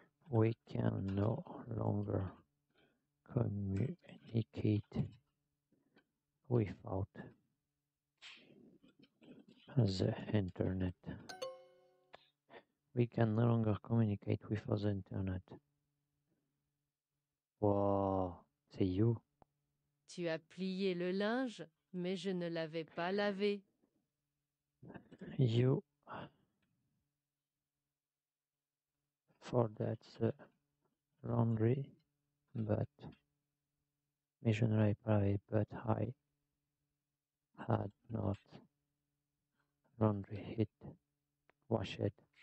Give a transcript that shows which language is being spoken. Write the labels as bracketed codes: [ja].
[en] We can no longer communicate without the Internet. We can no longer communicate without the Internet. Wow, c'est you. [fr] Tu as plié le linge, mais je ne l'avais pas lavé. [en] You folded the laundry, but [fr] mais je ne l'avais pas lavé, [en] but I had not laundry it, washed.